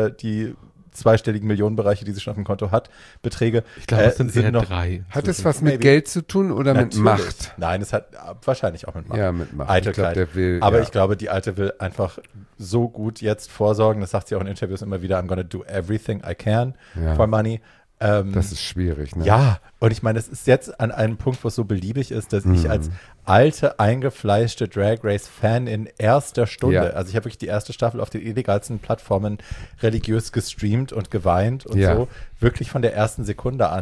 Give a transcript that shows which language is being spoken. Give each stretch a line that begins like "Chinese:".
German: Die zweistelligen Millionenbereiche, die sie schon auf dem Konto hat, Beträge. Ich glaube, es sind eher noch, drei. Hat es was mit Geld zu tun oder natürlich. Mit Macht? Nein, es hat wahrscheinlich auch mit Macht. Ja, mit Macht. Eitelkeit. Ich glaub, der will, aber ich glaube, die Alte will einfach so gut jetzt vorsorgen. Das sagt sie auch in Interviews immer wieder.
English: I'm gonna do everything I can for money.
German: Das ist schwierig, ne? Ja, und ich meine, es ist jetzt an einem Punkt, wo es so beliebig ist, dass ich als alte, eingefleischte Drag Race-Fan in erster Stunde, also ich habe wirklich die erste Staffel auf den illegalsten Plattformen religiös gestreamt und geweint und so, wirklich von der ersten Sekunde an.